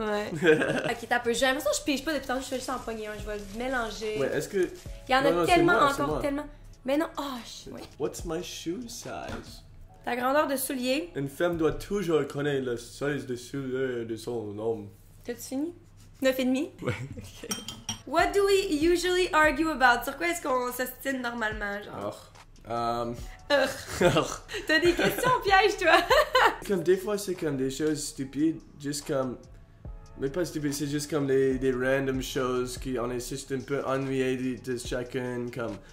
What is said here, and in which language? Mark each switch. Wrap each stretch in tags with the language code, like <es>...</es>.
<fr>Ouais. Ok, t'as un peu joué. Je pige pas depuis tantôt, je fais juste en poignet, hein, je vais le mélanger. Ouais, est-ce que... Il y en a tellement encore, tellement... Mais non, oh, oui.</fr> <en>What's my shoe size?</en> <fr>Ta grandeur de soulier. Une femme doit toujours connaître le size de soulier de son homme. T'as-tu fini? 9,5? Ouais. Okay.</fr> <en>What do we usually argue about?</en> <fr>Sur quoi est-ce qu'on s'ostine normalement, genre? Oh. T'as des questions pièges, toi? Comme des fois, c'est comme des choses stupides, juste comme... Mais pas stupides, c'est juste comme des random choses qui on est juste un peu ennuyé de chacun, comme...</fr>